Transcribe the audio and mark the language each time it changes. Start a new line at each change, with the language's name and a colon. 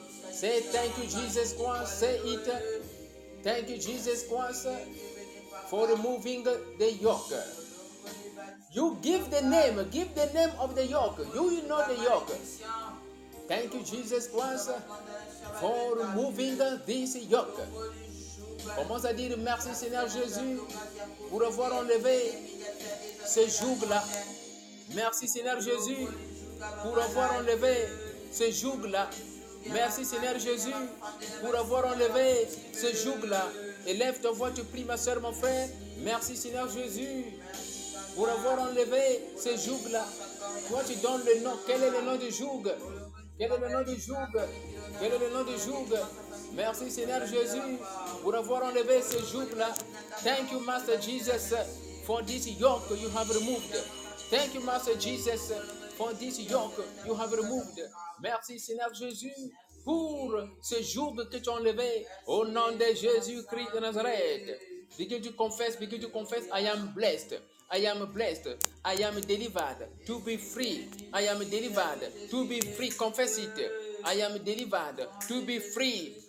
English: Say thank you, Jesus Christ. Say it. Thank you, Jesus Christ, for removing the yoke. You give the name of the yoke. You know the yoke. Thank you, Jesus Christ, for removing this yoke.
French: Commence à dire merci, Seigneur Jésus, pour avoir enlevé ce joug-là. Merci, Seigneur Jésus, pour avoir enlevé ce joug-là. Merci Seigneur Jésus pour avoir enlevé ce joug-là. Élève ta voix, tu pries, ma soeur, mon frère. Merci Seigneur Jésus pour avoir enlevé ce joug-là. Toi, tu donnes le nom. Quel est le nom du joug? Quel est le nom du joug? Quel est le nom du joug? Merci Seigneur Jésus pour avoir enlevé ce joug-là.
English: Thank you, Master Jesus, for this yoke you have removed. Thank you, Master Jesus, for this yoke you have removed.
French: Merci Seigneur Jésus pour ce joug que tu as enlevé au nom de Jésus-Christ de Nazareth. Dis que tu confesses,
English: I am blessed. I am blessed. I am delivered to be free. I am delivered to be free. Confess it. I am delivered to be free.